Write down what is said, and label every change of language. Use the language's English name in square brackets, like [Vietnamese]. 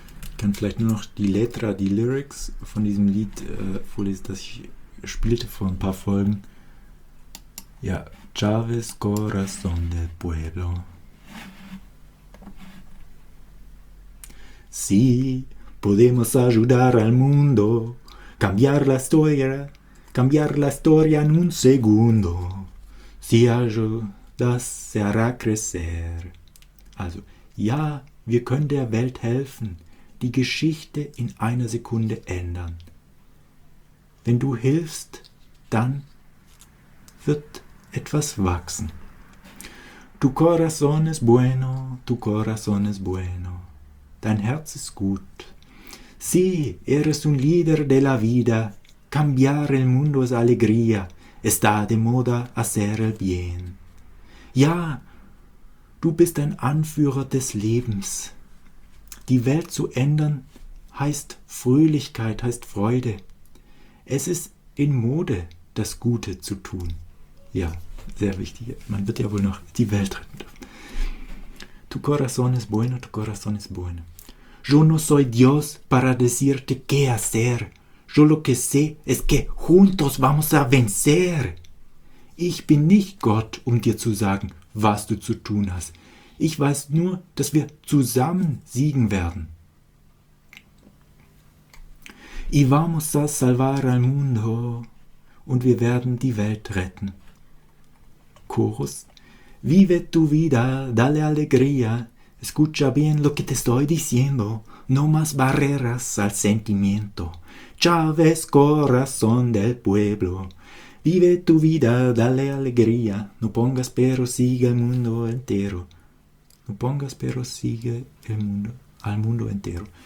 [German] Ich kann vielleicht nur noch die Letra, die Lyrics von diesem Lied vorlesen, das ich spielte vor ein paar Folgen. [Spanish] Ja, Chávez, corazón del pueblo. Sí, podemos ayudar al mundo, cambiar la historia en un segundo. Si ayudas, se hará crecer. [German] Also, ja, wir können der Welt helfen, die Geschichte in einer Sekunde ändern. Wenn du hilfst, dann wird etwas wachsen. [Spanish] Tu corazón es bueno, tu corazón es bueno. [German] Dein Herz ist gut. [Spanish] Sí, eres un líder de la vida. Cambiar el mundo es alegría. Está de moda hacer el bien. [German] Ja, du bist ein Anführer des Lebens. Die Welt zu ändern heißt Fröhlichkeit, heißt Freude. Es ist in Mode, das Gute zu tun. Ja, sehr wichtig. Man wird ja wohl noch die Welt retten dürfen. [Spanish] Tu corazón es bueno, tu corazón es bueno. Yo no soy Dios para decirte qué hacer. Yo lo que sé es que juntos vamos a vencer. [German] Ich bin nicht Gott, um dir zu sagen, was du zu tun hast. Ich weiß nur, dass wir zusammen siegen werden. [Spanish] Y vamos a salvar al mundo. [German] Und wir werden die Welt retten. [Spanish] Chorus. Vive tu vida, dale alegría. Escucha bien lo que te estoy diciendo. No más barreras al sentimiento. Chávez, corazón del pueblo. Vive tu vida, dale alegría. No pongas pero sigue al mundo entero. No pongas pero sigue el mundo, al mundo entero.